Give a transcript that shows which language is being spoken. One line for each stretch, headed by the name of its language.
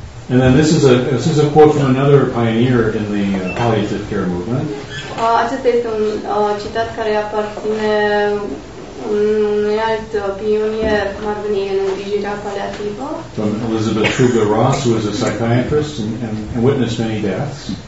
English: And then this is a quote from another pioneer in the palliative care movement.
Romanian: Acesta este un citat care aparține unui alt pionier cum ar veni în îngrijirea paliativă.
English: From Elizabeth Truger Ross, who is a psychiatrist and witnessed many deaths.